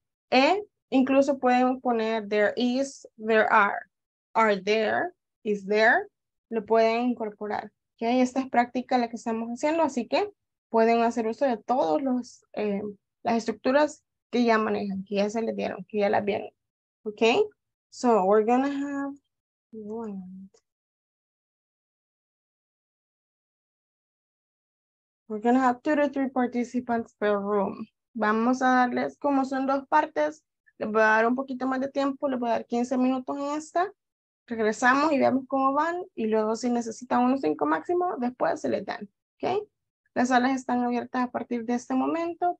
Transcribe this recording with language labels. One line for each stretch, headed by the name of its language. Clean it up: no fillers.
Spanish: E incluso pueden poner
English: there is, there are there, is there,
Spanish: lo pueden incorporar. ¿Okay? Esta es práctica la que estamos haciendo, así que pueden hacer uso de todas las estructuras que ya manejan, que ya se les dieron, que ya las vieron. ¿Ok?
English: So we're gonna have We're going to have 2 to 3 participants per room.
Spanish: Vamos a darles, como son dos partes, les voy a dar un poquito más de tiempo, les voy a dar 15 minutos en esta. Regresamos y vemos cómo van. Y luego, si necesitan unos 5 máximo, después se les dan. ¿Okay? Las salas están abiertas a partir de este momento.